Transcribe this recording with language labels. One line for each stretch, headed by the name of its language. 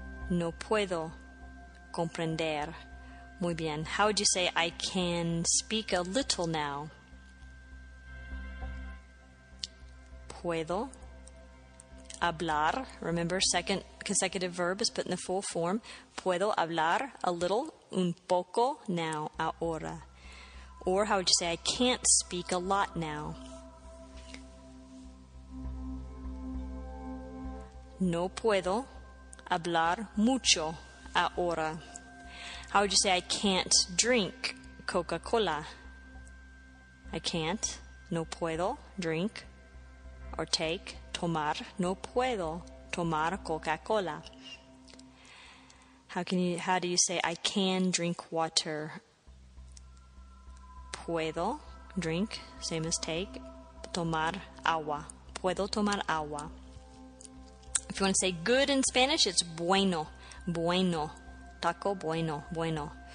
Spanish: No puedo comprender. Muy bien.
English: How would you say I can speak a little now?
Spanish: Puedo hablar.
English: Remember, second consecutive verb is put in the full form.
Spanish: Puedo hablar
English: a little,
Spanish: un poco now, ahora.
English: Or how would you say, I can't speak a lot now?
Spanish: No puedo hablar mucho ahora.
English: How would you say, I can't drink Coca-Cola? I can't,
Spanish: no puedo
English: drink or take,
Spanish: tomar, no puedo tomar Coca-Cola.
English: How do you say, I can drink water? Puedo drink, same as take,
Spanish: tomar agua. Puedo tomar agua.
English: If you want to say good in Spanish, it's bueno. Bueno. Taco bueno. Bueno.